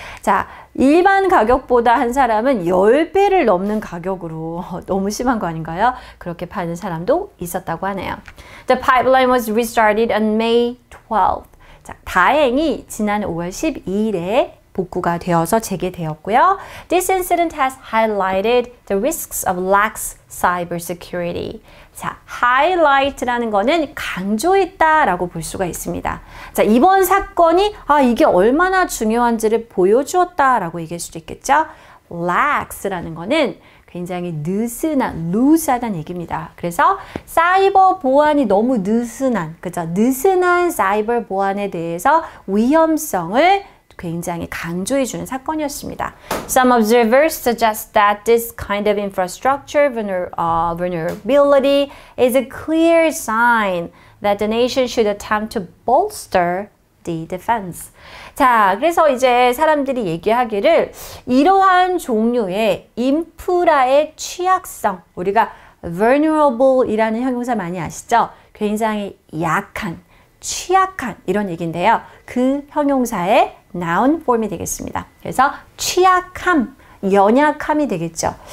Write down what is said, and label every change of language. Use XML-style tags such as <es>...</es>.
<ko>자, 일반 가격보다 한 사람은 10배를 넘는 가격으로 너무 심한 거 아닌가요? 그렇게 파는 사람도 있었다고 하네요.</ko> <en>The pipeline was restarted on May 12th.</en> <ko>자, 다행히 지난 5월 12일에 복구가 되어서 재개되었고요.</ko> <en>This incident has highlighted the risks of lax cybersecurity.</en> <ko>자, highlight라는 거는 강조했다라고 볼 수가 있습니다. 자, 이번 사건이 아, 이게 얼마나 중요한지를 보여주었다라고 얘기할 수도 있겠죠. lax라는 거는 굉장히 느슨한, loose하다는 얘기입니다. 그래서 사이버 보안이 너무 느슨한, 그죠? 느슨한 사이버 보안에 대해서 위험성을 굉장히 강조해주는 사건이었습니다.</ko> <en>Some observers suggest that this kind of infrastructure vulnerability is a clear sign that the nation should attempt to bolster the defense.</en> <ko>자, 그래서 이제 사람들이 얘기하기를 이러한 종류의 인프라의 취약성, 우리가 vulnerable이라는 형용사 많이 아시죠? 굉장히 약한, 취약한 이런 얘기인데요. 그 형용사의 noun form이 되겠습니다. 그래서 취약함, 연약함이 되겠죠.</ko>